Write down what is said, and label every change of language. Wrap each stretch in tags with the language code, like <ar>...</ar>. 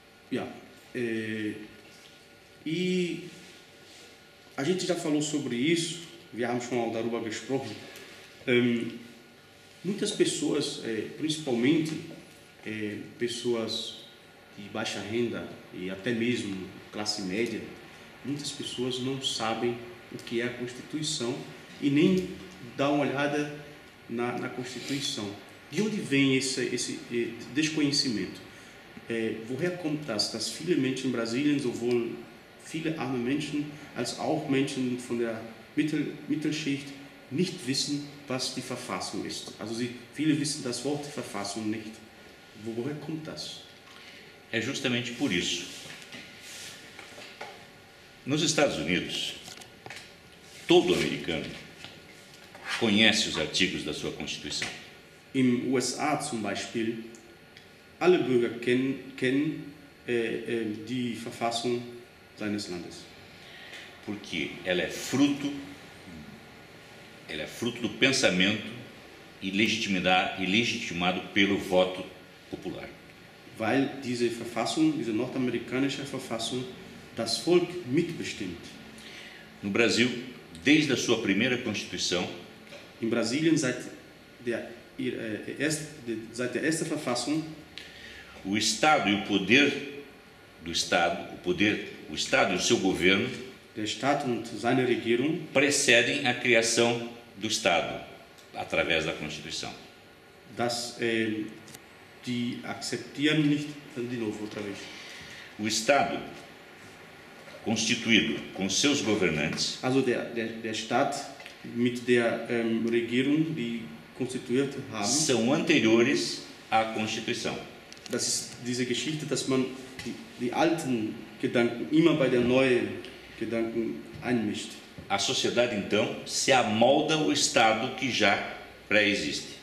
<pt>Ja, e a gente já falou sobre isso,</pt> <de>wir haben schon darüber gesprochen.</de> <pt>Muitas pessoas, principalmente pessoas de baixa renda e até mesmo classe média, muitas pessoas não sabem o que é a Constituição e nem dão uma olhada na Constituição. De onde vem esse desconhecimento?</pt> <de>Woher kommt das, dass viele Menschen in Brasilien sowohl viele arme Menschen, als auch Menschen von der Mittelschicht, nicht wissen, was die Verfassung ist. Also viele wissen das Wort Verfassung nicht. Woher kommt das?</de> <pt>É justamente por isso. Nos Estados Unidos, todo americano conhece os artigos da sua Constituição.</pt> <de>Im USA, zum Beispiel, alle Bürger kennen die Verfassung seines Landes.</de> <pt>Porque ela é fruto do pensamento legitimado pelo voto popular.</pt> <de>Weil diese Verfassung, diese nordamerikanische Verfassung, das Volk mitbestimmt.</de> <pt>No Brasil, desde a sua primeira Constituição,</pt> <de>in Brasilien seit der ersten Verfassung,</de> <pt>o Estado e o poder do Estado, o Estado e o seu governo,</pt> <de>der Staat und seine Regierung,</de> <pt>precedem a criação do Estado através da Constituição.</pt> <de>Das die akzeptieren nicht</de> <pt>de novo outra vez. O Estado constituído com seus governantes,</pt> <de>also der Staat mit der Regierung, die konstituiert haben,</de> <pt>são anteriores à Constituição.</pt> <de>Das ist diese Geschichte, dass man die alten Gedanken immer bei der neuen Gedanken einmischt.</de> <pt>A sociedade então se amolda ao Estado que já pré-existe.</pt>